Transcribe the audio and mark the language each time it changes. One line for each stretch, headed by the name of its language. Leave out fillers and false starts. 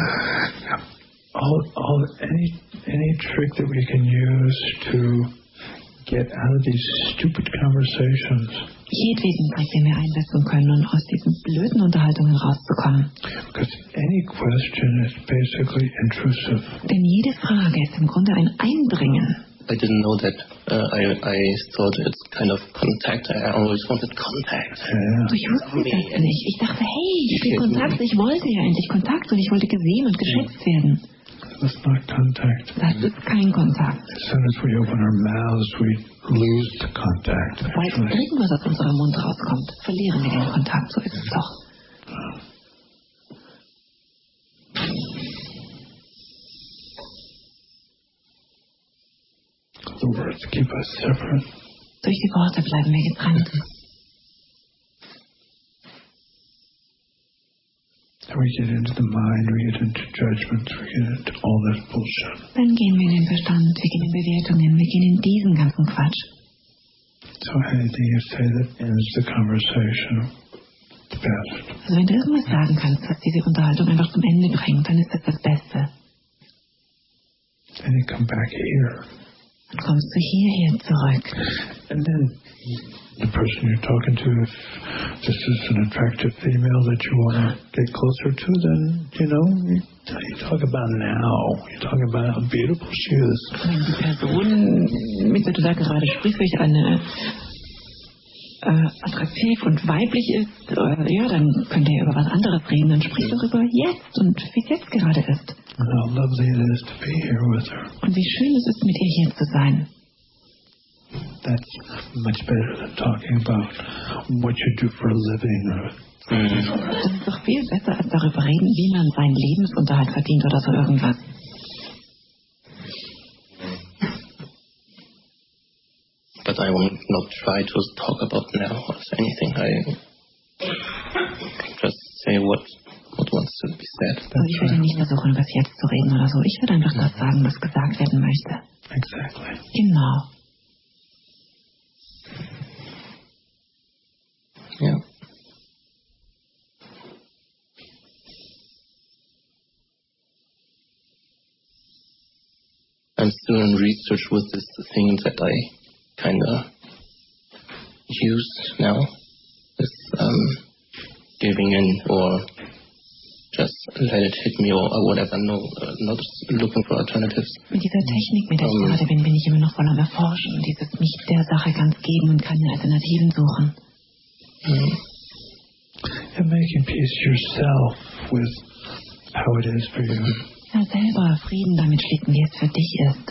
English: any trick that we can use to get out of these stupid conversations.
German: Jedweden Trick, den wir einsetzen können, um aus diesen blöden Unterhaltungen rauszukommen.
English: Because any question is basically intrusive.
German: Denn jede Frage ist im Grunde ein Eindringen.
English: I didn't know that. I thought it's kind of contact. I always wanted contact. Yeah.
German: Ich wusste das nicht. Ich dachte, hey, ich will Kontakt. Ich wollte ja endlich Kontakt und ich wollte gesehen und geschätzt werden.
English: That's not contact.
German: Das ist kein Kontakt.
English: As soon as we open our mouths, we lose the contact.
German: Sobald irgendwas aus unserem Mund rauskommt, verlieren wir den Kontakt. So ist es doch.
English: The words keep us separate.
German: Durch die Worte bleiben wir getrennt.
English: We get into the mind, we get into judgments, we get into all this bullshit.
German: Dann gehen wir in den Verstand, wir gehen in Bewertungen, wir gehen in diesen ganzen Quatsch.
English: So anything you say that ends the conversation, best.
German: Also wenn du irgendwas sagen kannst, was diese Unterhaltung einfach zum Ende bringt, dann ist das das Beste.
English: Then you come back here.
German: Dann kommst du hierher zurück.
English: And then the person you're talking to, if this is an attractive female that you want to get closer to, then, you know, you talk about now. You talk about how beautiful she is.
German: Wenn die Person, mit der du da gerade sprichst, welche eine attraktiv und weiblich ist, ja, dann könnt ihr über was anderes reden. Dann sprich darüber jetzt und wie es jetzt gerade ist.
English: And how lovely it is to be here with her.
German: Und wie schön es ist, mit ihr hier zu sein.
English: That's much better than talking about what you do for a living.
German: Das ist doch viel besser, als darüber reden, wie man seinen Lebensunterhalt verdient oder so irgendwas.
English: But I will not try to talk about now or anything. I just say what wants to be said.
German: Ich werde nicht versuchen, über das jetzt zu reden oder so. Ich werde einfach das sagen, was gesagt werden möchte.
English: Exactly.
German: Genau. Ja. Yeah.
English: I'm still in research with this thing that I kind of use now. It's giving in or just let it hit me or whatever. No, not looking for alternatives.
German: Mit dieser Technik, mit der ich gerade bin ich immer noch voll am Erforschen. Dieses mich der Sache ganz geben und keine Alternativen suchen. Mm-hmm.
English: And making peace yourself with how it is for you.
German: Ja, selber Frieden damit schließen, wie es für dich ist.